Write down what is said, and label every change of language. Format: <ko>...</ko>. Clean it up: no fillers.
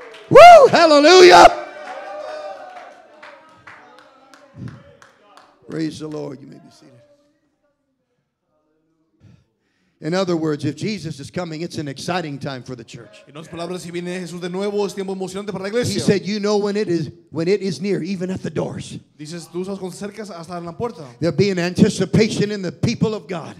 <en>Woo! Hallelujah! Praise the Lord. You may be seated. In other words, if Jesus is coming, it's an exciting time for the church.</en> <es>En otras palabras, si viene Jesús de nuevo, es tiempo emocionante para la iglesia.</es> <en>He said, "You know when it is near, even at the doors."</en> <es>Dices, tú sabes cuando cercas hasta en la puerta.</es> <en>There'll be an anticipation in the people of God.</en>